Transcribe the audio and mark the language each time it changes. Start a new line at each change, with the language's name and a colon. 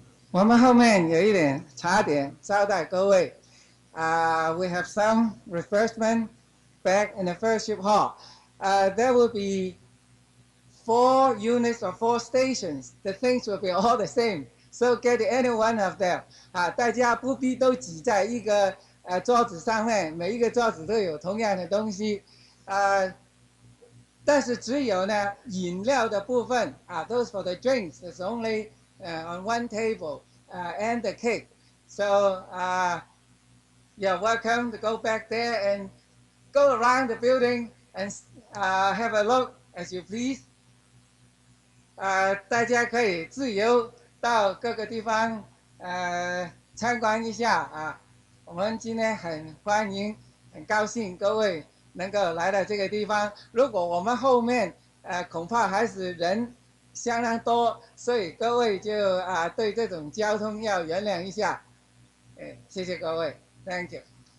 Chinese: 我们后面有一点茶点招待各位
English: we have some refreshment back in the fellowship hall. There will be four units or four stations. The things will be all the same. So get any one of them.
Chinese: 大家不必都挤在一个桌子上面，每一个桌子都有同样的东西。但是只有呢饮料的部分
English: those for the drinks is only on one table. And the cake. So, you're welcome to go back there and go around the building and have a look as you please.
Chinese: 大家可以自由到各个地方参观一下啊。我们今天很欢迎，很高兴各位能够来到这个地方。如果我们后面恐怕还是人相当多，所以各位就对这种交通要原谅一下。谢谢各位 ，Thank you。